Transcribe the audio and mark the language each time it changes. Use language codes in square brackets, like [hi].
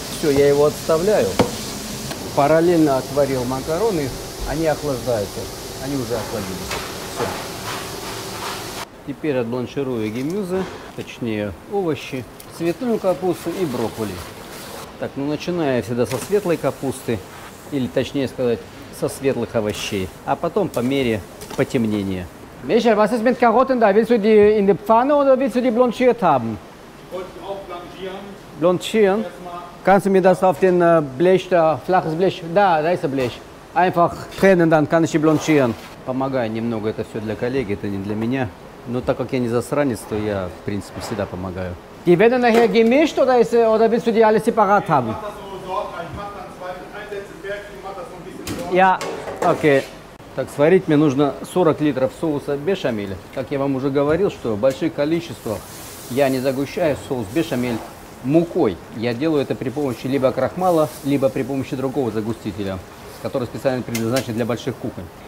[ru] Все, я его отставляю. Параллельно отварил макароны, они охлаждаются, они уже охладились. Все. Теперь отбланширую гемюзы, точнее овощи, цветную капусту и брокколи. Так, ну начиная всегда со светлой капусты, или точнее сказать, со светлых овощей, а потом по мере потемнения. [de] Мишель, was ist mit Karotten da? Willst du die in die Pfanne oder willst du die blanchiert haben? Wollt ihr auch blanchieren? Blanchieren? Erstmal Kannst du mir das auf den Blech, flaches Blech, da, da ist der Blech. Einfach trennen, dann kann ich blanchieren. [ru] Помогаю немного, это все для коллеги, это не для меня. Но так как я не засранец, то я, в принципе, всегда помогаю. [de] Die werden nachher gemischt oder, ist, oder willst du die alle separat haben? Ich mach das so dort, ich mach dann zwei, ein letztes Werk, ich mach das so ein bisschen Ja, okay. [ru] Так, сварить мне нужно 40 литров соуса бешамель. Как я вам уже говорил, что большое количество я не загущаю соус бешамель мукой. Я делаю это при помощи либо крахмала, либо при помощи другого загустителя, который специально предназначен для больших кухонь.